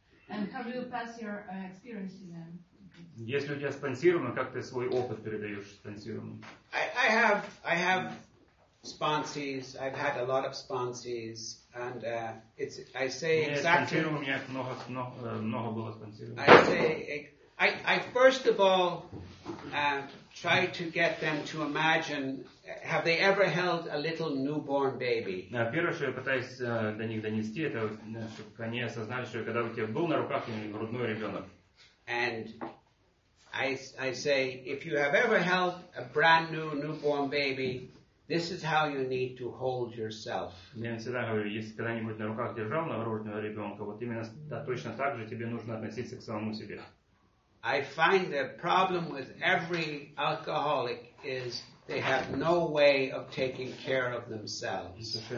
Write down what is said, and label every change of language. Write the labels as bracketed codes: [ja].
[en] And how do you pass your experience to them? [ru] Если у тебя спонсируемый, как ты свой опыт передаешь спонсируемым? [en] I have sponsors. I've had a lot of sponsors, and [ru] У меня много было спонсируемых. [en] I first of all try to get them to imagine. Have they ever held a little newborn baby? [ru] На первое, что я пытаюсь до них донести, это чтобы они осознали, что когда у тебя был на руках грудной ребенок. [en] And I say, if you have ever held a brand new newborn baby, this is how you need to hold yourself. [ru] Я всегда говорю, если когда-нибудь на руках держал новорожденного ребенка, вот именно точно так же тебе нужно относиться к самому себе. [en] I find the problem with every alcoholic is they have no way of taking care of themselves.